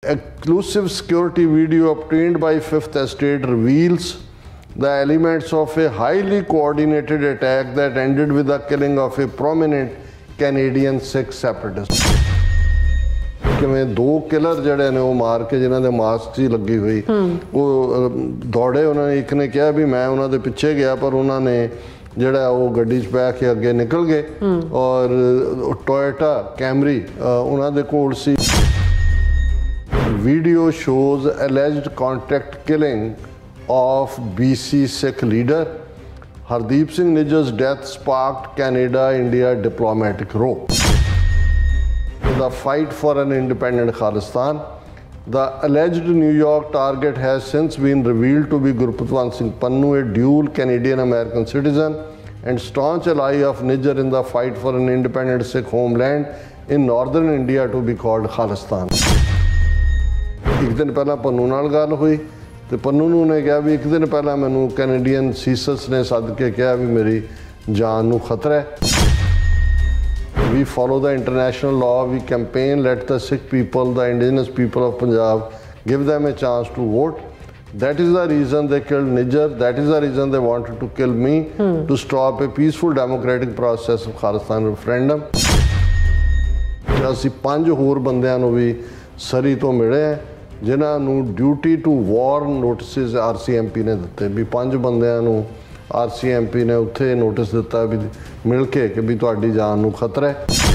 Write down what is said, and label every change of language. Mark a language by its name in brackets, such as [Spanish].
[English] Exclusive security video obtained by Fifth Estate reveals the elements of a highly coordinated attack that ended with the killing of a prominent Canadian Sikh separatist. [Punjabi] ਕਿਵੇਂ ਦੋ killer ਜਿਹੜੇ ਨੇ ਉਹ ਮਾਰ ਕੇ ਜਿਹਨਾਂ ਦੇ mask ਸੀ ਲੱਗੀ ਹੋਈ ਉਹ ਦੌੜੇ ਉਹਨਾਂ ਨੇ ਇੱਕ ਨੇ ਕਿਹਾ ਵੀ ਮੈਂ ਉਹਨਾਂ ਦੇ ਪਿੱਛੇ ਗਿਆ ਪਰ ਉਹਨਾਂ ਨੇ ਜਿਹੜਾ ਉਹ ਗੱਡੀ 'ਚ ਪੈ ਕੇ ਅੱਗੇ ਨਿਕਲ ਗਏ ਔਰ ਟੋਇਟਾ ਕੈਮਰੀ ਉਹਨਾਂ ਦੇ ਕੋਲ ਸੀ [English] Video shows alleged contract killing of B C Sikh leader Hardeep Singh Nijjar's death sparked Canada India diplomatic row The fight for an independent Khalistan. The alleged New York target has since been revealed to be Gurpatwant Singh Pannu, a dual Canadian-American citizen and staunch ally of Nijjar in the fight for an independent Sikh homeland in northern India to be called Khalistan. [Punjabi] ਇੱਕ ਦਿਨ ਪਹਿਲਾਂ ਪੰਨੂ ਨਾਲ ਗੱਲ ਹੋਈ ਅਤੇ ਪੰਨੂ ਨੂੰ ਉਹਨੇ ਕਿਹਾ ਵੀ ਇੱਕ ਦਿਨ ਪਹਿਲਾਂ ਮੈਨੂੰ ਕੈਨੇਡੀਅਨ ਸੀਸਸ ਨੇ ਸੱਦ ਕੇ ਕਿਹਾ ਵੀ ਮੇਰੀ ਜਾਨ ਨੂੰ ਖਤਰਾ ਹੈ [English] We follow the international law. We campaign, let the Sikh people, the indigenous people of Punjab, give them a chance to vote. That is the reason they killed Nijjar. That is the reason they wanted to kill me, to stop a peaceful democratic process of Khalistan referendum. [Punjabi] ਅਸੀਂ ਪੰਜ ਹੋਰ ਬੰਦਿਆਂ ਨੂੰ ਵੀ ਸਰੀ ਤੋਂ ਮਿਲੇ ਹੈ ਜਿਨ੍ਹਾਂ ਨੂੰ [English] duty to warn notices [Punjabi] RCMP ਨੇ ਦਿੱਤੇ ਵੀ ਪੰਜ ਬੰਦਿਆਂ ਨੂੰ RCMP ਨੇ ਉੱਥੇ ਨੋਟਿਸ ਦਿੱਤਾ ਵੀ ਮਿਲ ਕੇ ਕਿ ਵੀ ਤੁਹਾਡੀ ਜਾਨ ਨੂੰ ਖਤਰਾ ਹੈ